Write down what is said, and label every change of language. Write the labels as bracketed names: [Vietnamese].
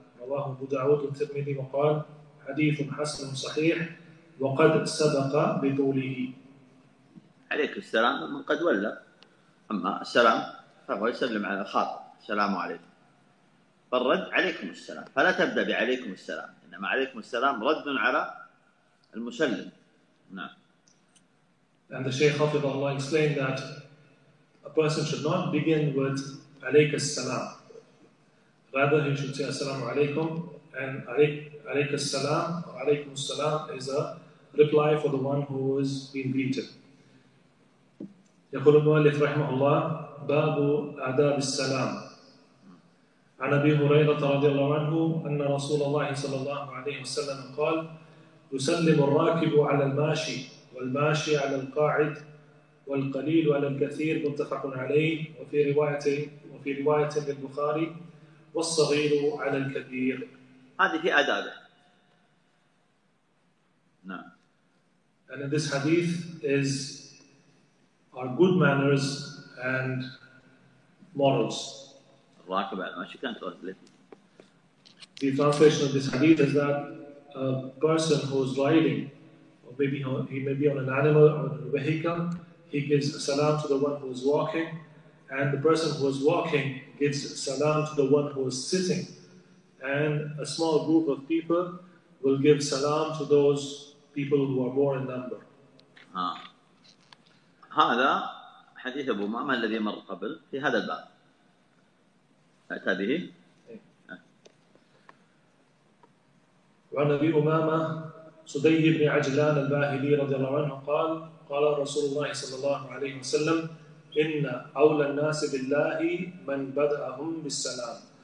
[Arabic] رواه أبو داود الترمذي وقال حديث حسن صحيح وقد سبق بطوله. عليك السلام من قد ولى، أما السلام فهو يسلم على الخاطب السلام عليكم، فالرد عليكم السلام، فلا تبدأ بعليكم السلام، إنما عليكم السلام رد على المسلم. نعم. [English] And the Shaykh Hafidhullah explained that a person should not begin with [Arabic] عليك السلام. [English] Rather, he should say [Arabic] السلام عليكم [English] and [Arabic] عليك السلام [English] or [Arabic] عليكم السلام [English] is a reply for the one who is being greeted. [Arabic] يقول المؤلف رحمه الله باب آداب السلام. عن أبي هريرة رضي الله عنه أن رسول الله صلى الله عليه وسلم قال يسلم الراكب على الماشي والماشي على القاعد والقليل على الكثير. متفق عليه. وفي رواية للبخاري والصغير على الكبير. هذه في آدابه. نعم. [English] And this hadith is our good manners and morals. The translation of this hadith is that a person who is riding, or maybe he may be on an animal or on a vehicle, he gives salam to the one who is walking, and the person who is walking gives salam to the one who is sitting, and a small group of people will give salam to those people who are more in number. [Arabic] هذا حديث أبو أمامة الذي مر قبل في هذا الباب. أتى به. وعن أبي أمامة صدي بن عجلان الباهلي رضي الله عنه قال قال رسول الله صلى الله عليه وسلم إن أولى الناس بالله من بدأهم بالسلام.